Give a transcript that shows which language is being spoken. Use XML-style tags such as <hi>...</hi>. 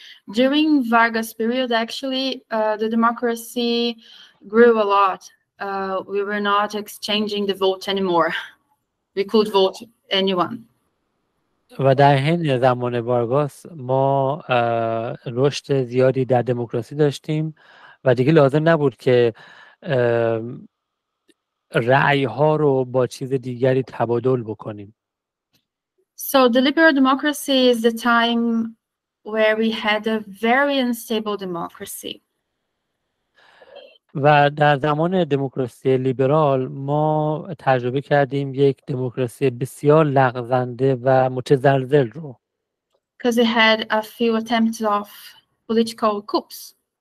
<en>During Vargas period, actually, the democracy grew a lot. We were not exchanging the vote anymore. We could vote anyone.</en> <fa>و در این زمان وارگاس ما رشد زیادی در دموکراسی داشتیم و دیگه لازم نبود که رأی ها رو با چیز دیگری تبادل بکنیم.</fa> <en>So the liberal democracy is the time where we had a very unstable democracy.</en> <fa>و در زمان دموکراسی لیبرال ما تجربه کردیم یک دموکراسی بسیار لغزنده و متزلزل رو.</fa> <en>Because we had a few attempts of political coups.</en>